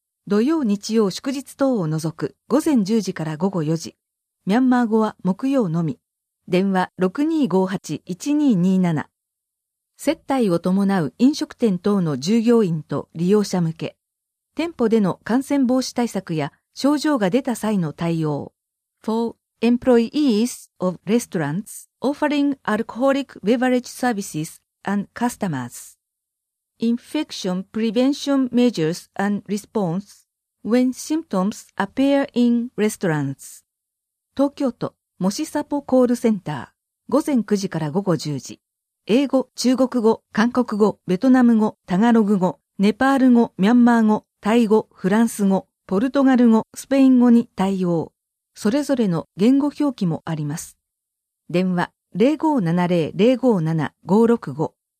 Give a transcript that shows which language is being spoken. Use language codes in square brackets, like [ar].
[ja] 土曜、日曜、祝日等を除く午前10時から午後4時、ミャンマー語は木曜のみ、電話 6258-1227、接待を伴う飲食店等の従業員と利用者向け、店舗での感染防止対策や症状が出た際の対応。 [en] For employees of restaurants offering alcoholic beverage services and customers. Infection prevention measures and response when symptoms appear in restaurants. [ja] 東京都模試サポコールセンター。午前9時から午後10時。英語、中国語、韓国語、ベトナム語、タガログ語、ネパール語、ミャンマー語、タイ語、フランス語、ポルトガル語、スペイン語に対応。それぞれの言語表記もあります。電話 0570-057-565。